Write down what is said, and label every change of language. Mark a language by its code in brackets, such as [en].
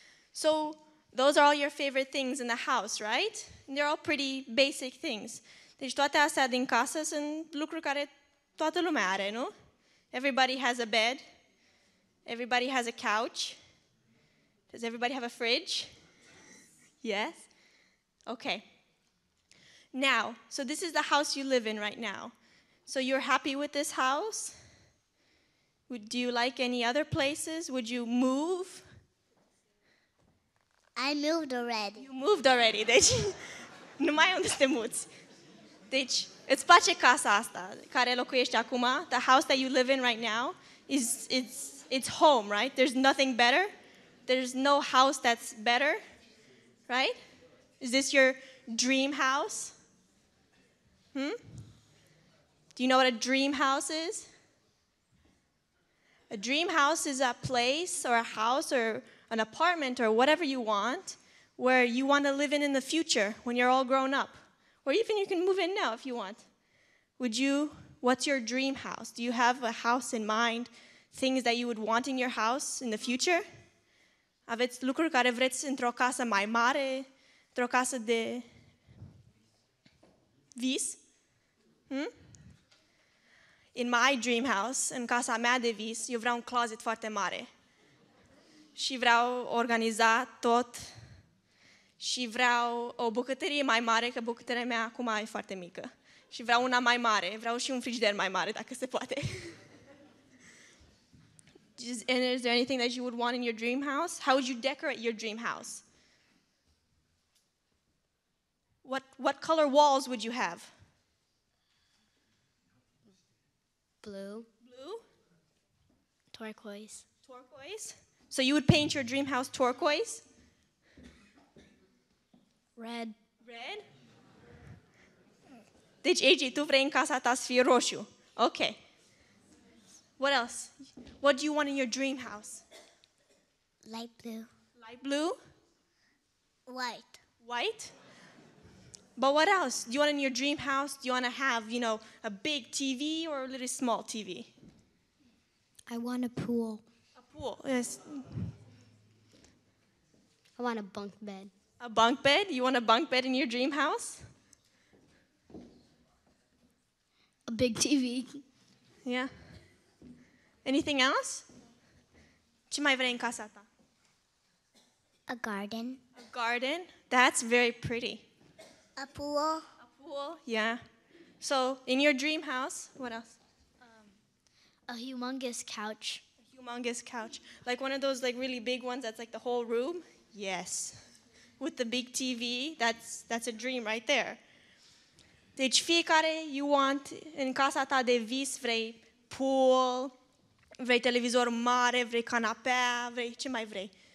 [en] So, those are all your favorite things in the house, right? And they're all pretty basic things. [ro] Deci toate astea din casă sunt lucruri care toată lumea are, nu? [en] Everybody has a bed. Everybody has a couch. Does everybody have a fridge? Yes? Okay. Now, so this is the house you live in right now. So you're happy with this house? Do you like any other places? Would you move? I moved already. You moved already, [ro] deci nu mai unde să te muți. Deci, îți place casa asta care locuiești acum? [en] The house that you live in right now is it's home, right? There's nothing better. There's no house that's better, right? Is this your dream house? Hmm? Do you know what a dream house is? A dream house is a place or a house or an apartment or whatever you want, where you want to live in the future when you're all grown up. Or even you can move in now if you want. Would you, what's your dream house? Do you have a house in mind, things that you would want in your house in the future? [ro] Aveți lucruri care vreți într-o casă mai mare, într-o casă de vis? Hmm? [en] In my dream house, [ro] în casa mea de vis, eu vreau un closet foarte mare. Și vreau organiza tot și vreau o bucătărie mai mare, că bucătăria mea acum e foarte mică. Și vreau una mai mare, vreau și un frigider mai mare, dacă se poate. [en] And is there anything that you would want in your dream house? How would you decorate your dream house? What color walls would you have? Blue. Blue? Turquoise. Turquoise? So you would paint your dream house turquoise? Red. Red? [ro] Deci, AJ, tu vrei în casa ta să fie roșu. [en] Okay. What else? What do you want in your dream house? Light blue. Light blue? White. White? But what else? Do you want in your dream house? Do you want to have, you know, a big TV or a little small TV? I want a pool. Pool, yes. I want a bunk bed. A bunk bed? You want a bunk bed in your dream house? A big TV. Yeah. Anything else? [ro] Ce mai vrei în casa ta? [en] A garden. A garden? That's very pretty. A pool. A pool, yeah. So, in your dream house, what else? A humongous couch. A humongous couch. Like one of those like really big ones that's like the whole room? Yes. With the big TV, that's a dream right there. [ro] Deci fiecare [en] you want [ro] în casa ta de vis, vrei pool, vrei televizor mare, vrei canapea, vrei ce mai vrei?